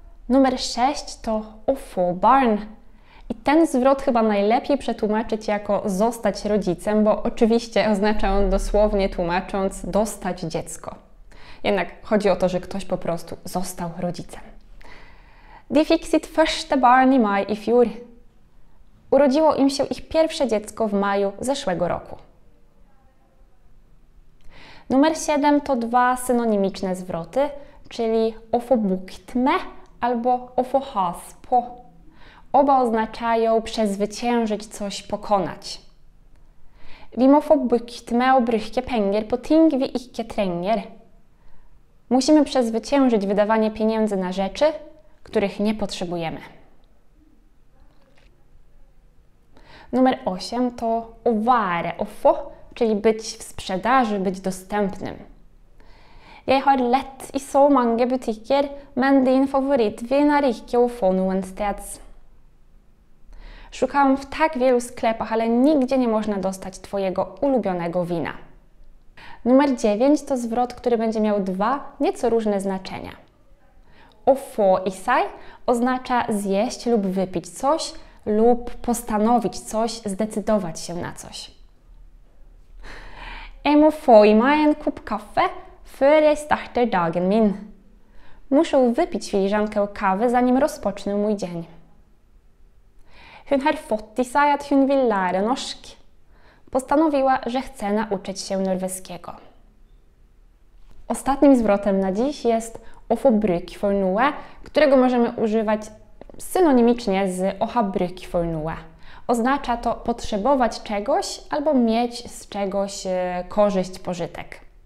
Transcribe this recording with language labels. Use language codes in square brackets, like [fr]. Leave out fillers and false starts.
[pl] Numer 6 to å få barn. I ten zwrot chyba najlepiej przetłumaczyć jako zostać rodzicem, bo oczywiście oznacza on dosłownie tłumacząc dostać dziecko. Jednak chodzi o to, że ktoś po prostu został rodzicem. [no] De fikk sitt første barn i mai i fjor. [pl] Urodziło im się ich pierwsze dziecko w maju zeszłego roku. Numer 7 to dwa synonimiczne zwroty, czyli å få bukt med albo å få has på. Oba oznaczają przezwyciężyć coś, pokonać. [no] Vi må få bukt med å bruke penger på ting vi ikke trenger. [pl] Musimy przezwyciężyć wydawanie pieniędzy na rzeczy, których nie potrzebujemy. Numer 8 to å være, å få, czyli być w sprzedaży, być dostępnym. [no] Jeg har lett i så mange butikker, men din favorittvin er ikke å få noen steds. [pl] Szukałam w tak wielu sklepach, ale nigdzie nie można dostać Twojego ulubionego wina. Numer 9 to zwrot, który będzie miał dwa nieco różne znaczenia. Å få i seg oznacza zjeść lub wypić coś, lub postanowić coś, zdecydować się na coś. [no] Jeg må få i meg en kopp kaffe før jeg starter dagen min. [pl] Muszę wypić filiżankę kawy, zanim rozpocznę mój dzień. [no] Hun har fått i seg at hun vil lære norsk. [pl] Postanowiła, że chce nauczyć się norweskiego. Ostatnim zwrotem na dziś jest å få bruk for noe, którego możemy używać synonimicznie z å ha bruk for noe. oznacza to potrzebować czegoś albo mieć z czegoś korzyść, pożytek.